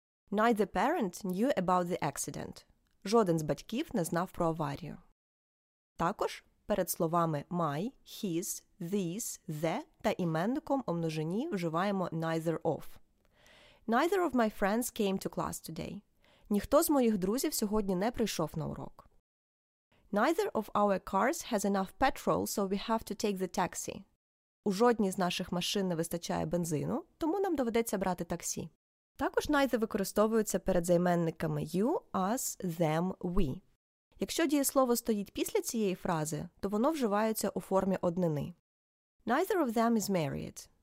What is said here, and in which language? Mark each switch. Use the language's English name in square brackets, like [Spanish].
[English] Neither parent knew about the accident. [Ukrainian] Жоден з батьків не знав про аварію. Також перед словами my, his, this, the та іменником у множині вживаємо neither of. [English] Neither of my friends came to class today. [Ukrainian] Ніхто з моїх друзів сьогодні не прийшов на урок. [English] Neither of our cars has enough petrol, so we have to take the taxi. [Ukrainian] У жодній з наших машин не вистачає бензину, тому нам доведеться брати таксі. Також neither використовуються перед займенниками you, us, them, we. Якщо дієслово стоїть після цієї фрази, то воно вживається у формі однини. [English] Neither of them is married.